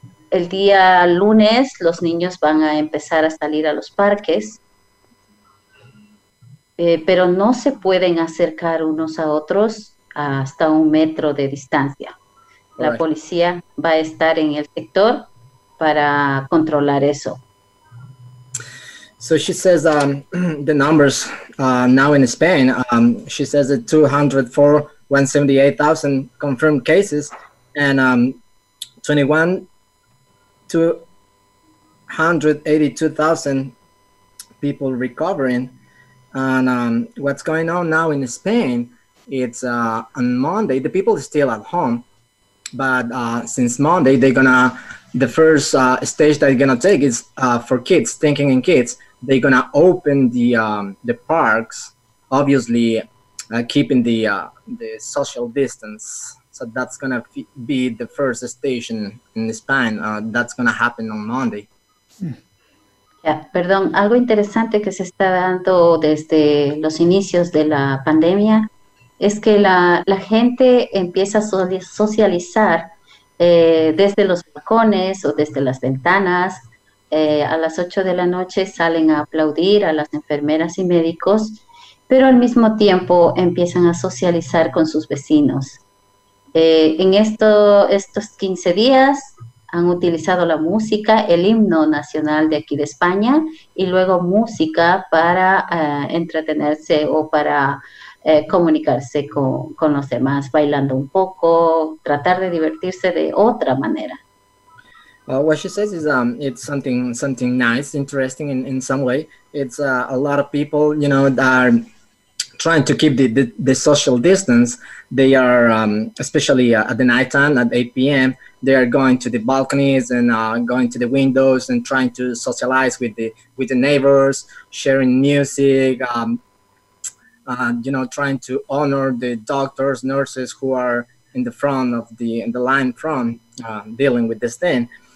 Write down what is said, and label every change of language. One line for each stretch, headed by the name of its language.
Spanish: El día lunes los niños van a empezar a salir a los parques. Pero no se pueden acercar unos a otros hasta un metro de distancia. La policía va a estar en el sector para controlar eso.
English: So she says the numbers now in Spain, she says that 204,178,000 confirmed cases and 21,282,000 people recovering. And what's going on now in Spain, it's on Monday, the people are still at home, but since Monday, the first stage that they're going to take is for kids, thinking in kids, they're going to open the parks, obviously keeping the social distance. So that's going to be the first station in Spain. That's going to happen on Monday. Hmm.
Spanish: Ya, perdón, algo interesante que se está dando desde los inicios de la pandemia es que la gente empieza a socializar desde los balcones o desde las ventanas, a las 8 de la noche salen a aplaudir a las enfermeras y médicos, pero al mismo tiempo empiezan a socializar con sus vecinos. En estos 15 días han utilizado la música, el himno nacional de aquí de España, y luego música para entretenerse o para comunicarse con los demás, bailando un poco, tratar de divertirse de otra manera.
English: Well, what she says is it's something nice, interesting in some way. It's a lot of people, you know, that are trying to keep the social distance. They are, especially at the night time, at 8 p.m., they are going to the balconies and going to the windows and trying to socialize with the neighbors, sharing music, trying to honor the doctors, nurses who are in the front of the line, dealing with this thing.